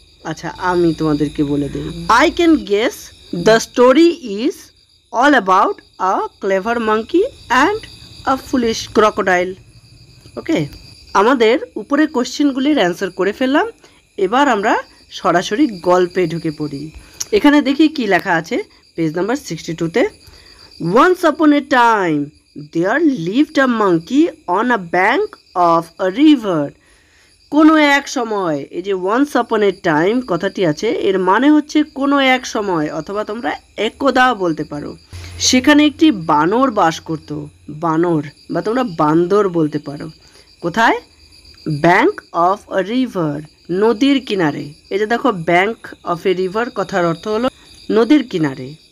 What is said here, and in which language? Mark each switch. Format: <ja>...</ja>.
<bn>আচ্ছা আমি তোমাদেরকে বলে দেই,</bn> <en>I can guess the story is all about a clever monkey and a foolish crocodile.</en> <bn>ওকে, আমাদের উপরে কোশ্চেনগুলির অ্যান্সার করে ফেললাম, এবার আমরা সরাসরি গল্পে ঢুকে পড়ি। এখানে দেখি কি লেখা আছে page number 62-তে।</bn> <en>Once upon a time, there lived a monkey on a bank of a river.</en> <bn>কোনো এক সময়, এই যে</bn> <en>once upon a time</en> <bn>কথাটি আছে, এর মানে হচ্ছে কোনো এক সময় অথবা তোমরা একদা বলতে পারো। সেখানে একটি বানর বাস করত, বানর বা তোমরা বান্দর বলতে পারো। কোথায়?</bn> <en>bank of a river,</en> <bn>নদীর কিনারে। এই যে দেখো</bn> <en>bank of a river</en> <bn>কথার অর্থ হলো নদীর কিনারে।</bn>